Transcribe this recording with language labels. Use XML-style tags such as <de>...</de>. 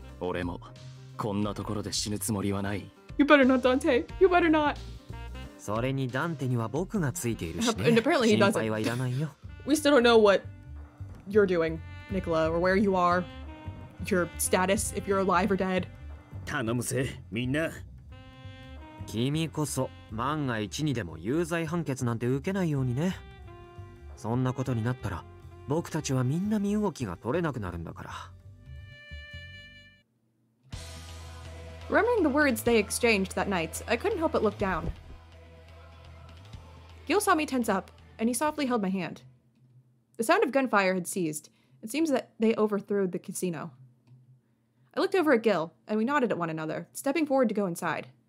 <ja>この程度の修羅場で死にはせ。死地ならば、嫌というほどくぐり抜けてきた。俺も、こんなところで死ぬつもりはない。</ja> <en>You better not, Dante. You better not.</en> <ja>それにダンテには僕がついているしね。心配はいらないよ。</ja> <en>We still don't know what you're doing, Nicola, or where you are, your status, if you're alive or dead.</en> <ja>頼むぜ、みんな。君こそ万が一にでも有罪判決なんて受けないようにね。そんなことになったら、僕たちはみんな身動きが取れなくなるんだから。</ja> <en>Remembering the words they exchanged that night, I couldn't help but look down. Gil saw me tense up, and he softly held my hand. The sound of gunfire had ceased. It seems that they overthrew the casino. I looked over at Gil, and we nodded at one another, stepping forward to go inside.</en>